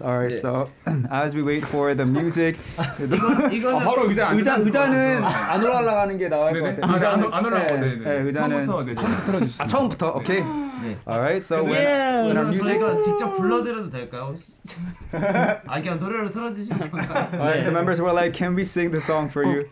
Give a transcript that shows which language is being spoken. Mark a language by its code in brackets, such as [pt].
[en] All right, so as we wait for the music, [ko] 이거는 바로 의자는 안 올라가는 게 나와야 할 것 같아. 의자는 안 올라가고. 네, 의자는 처음부터 틀어주시죠. 아, 처음부터. 오케이. [en] All right, so when our music [ko] 직접 불러드려도 될까요? 아, 그냥 노래를 틀어주시면 감사합니다. [en] All right, the members were like, can we sing the song for you?